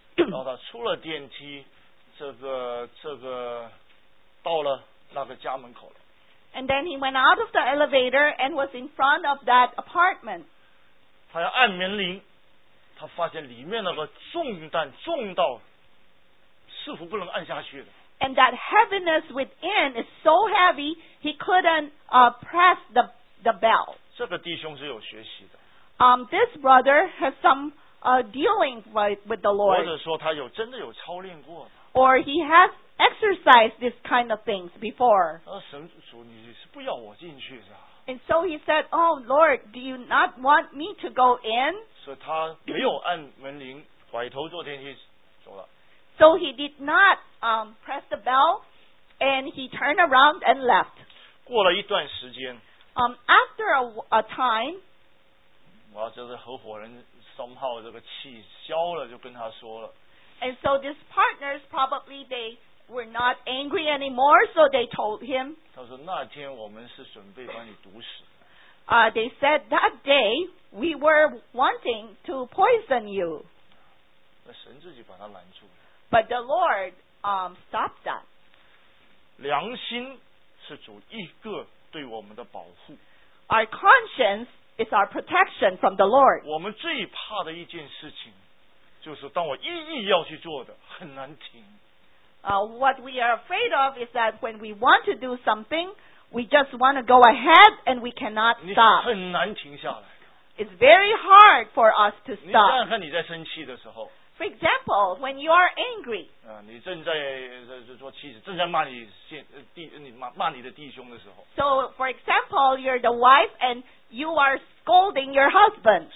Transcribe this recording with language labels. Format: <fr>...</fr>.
<zh>然后他出了电梯，这个到了那个家门口了。</zh> <en>And then he went out of the elevator and was in front of that apartment.</en> <zh>他要按门铃，他发现里面那个重担重到似乎不能按下去了。</zh> <en>And that heaviness within is so heavy he couldn't press the bell.</en> <zh>这个弟兄是有学习的。</zh> <en>This brother has some dealing with the Lord.</en> <zh>或者说他有真的有操练过。</zh> <en>Or he has exercised this kind of things before.</en> <zh>神主，你是不要我进去是吧？</zh> <en>And so he said, "Oh Lord, do you not want me to go in?"</en> <zh>所以他没有按门铃，拐头坐电梯走了。</zh> <en>So he did not press the bell, and he turned around and left.</en> <zh>过了一段时间。</zh> <en>After a time.</en> <zh>哇，就是合伙人 somehow 这个气消了，就跟他说了。</zh> <en>And so these partners probably they were not angry anymore, so they told him.</en> <zh>他说那天我们是准备把你毒死。</zh> <en>They said that day we were wanting to poison you.</en> <zh>那神自己把他拦住。</zh> <en>But the Lord stopped that.</en> <zh>良心是主一个对我们的保护。</zh> <en>Our conscience is our protection from the Lord.</en> <zh>我们最怕的一件事情就是当我一意要去做的，很难停。</zh> <en>What we are afraid of is that when we want to do something, we just want to go ahead and we cannot stop.</en> <zh>你很难停下来。</zh> <en>It's very hard for us to stop.</en> <zh>你想想看你在生气的时候。</zh> <en>For example, when you are angry.</en> <zh>你正在做妻子，正在骂你骂你的弟兄的时候。</zh> <en>So, for example, you're the wife and you are scolding your husband.</en>